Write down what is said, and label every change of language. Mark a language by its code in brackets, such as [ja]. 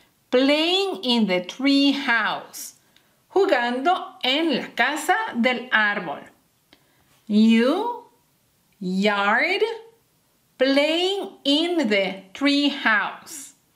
[en] Playing in the tree house. [es] Jugando en la casa del árbol. [en] You, yard, playing in the tree house.